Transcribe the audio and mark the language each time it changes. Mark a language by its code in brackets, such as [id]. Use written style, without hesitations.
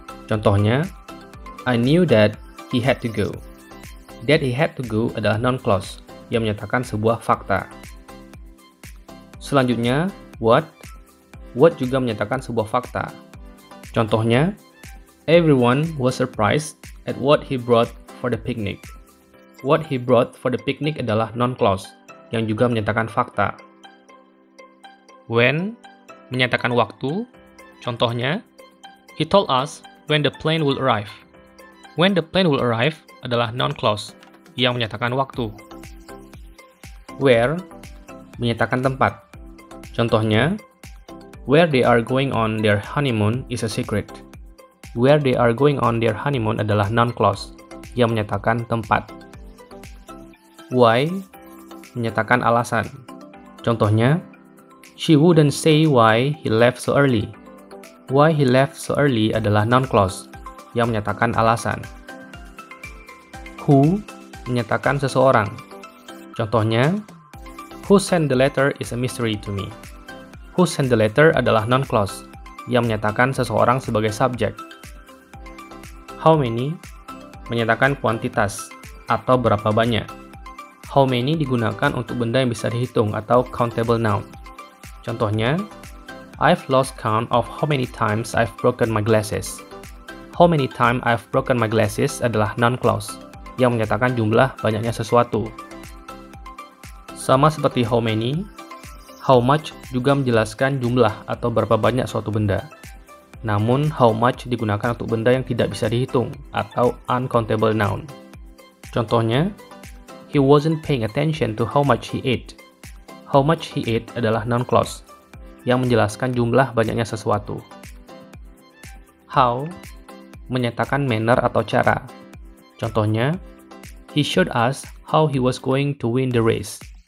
[en] Contohnya, I knew that he had to go. That he had to go [id] adalah noun clause, yang menyatakan sebuah fakta. Selanjutnya, what. What juga menyatakan sebuah fakta. [en] Contohnya, Everyone was surprised at what he brought for the picnic. What he brought for the picnic [id] adalah noun clause, yang juga menyatakan fakta. When, menyatakan waktu. [en] Contohnya, He told us when the plane will arrive. When the plane will arrive [id] adalah noun clause, yang menyatakan waktu. [en] Where, [id] menyatakan tempat. Contohnya, [en] Where they are going on their honeymoon is a secret. Where they are going on their honeymoon [id] adalah noun clause, yang menyatakan tempat. [en] Why, [id] menyatakan alasan. Contohnya, [en] She wouldn't say why he left so early. Why he left so early [id] adalah noun clause, yang menyatakan alasan. Who, menyatakan seseorang. [en] Contohnya, Who sent the letter is a mystery to me. Who sent the letter [id] adalah noun clause, yang menyatakan seseorang sebagai subject. How many, menyatakan kuantitas, atau berapa banyak. How many digunakan untuk benda yang bisa dihitung, atau countable noun. [en] Contohnya, I've lost count of how many times I've broken my glasses. How many times I've broken my glasses [id] adalah noun clause, yang menyatakan jumlah banyaknya sesuatu. Sama seperti how many, how much juga menjelaskan jumlah atau berapa banyak suatu benda. Namun, how much digunakan untuk benda yang tidak bisa dihitung, atau uncountable noun. [en] Contohnya, He wasn't paying attention to how much he ate. How much he ate [id] adalah noun clause, yang menjelaskan jumlah banyaknya sesuatu. How, menyatakan manner atau cara. [en] Contohnya, He showed us how he was going to win the race.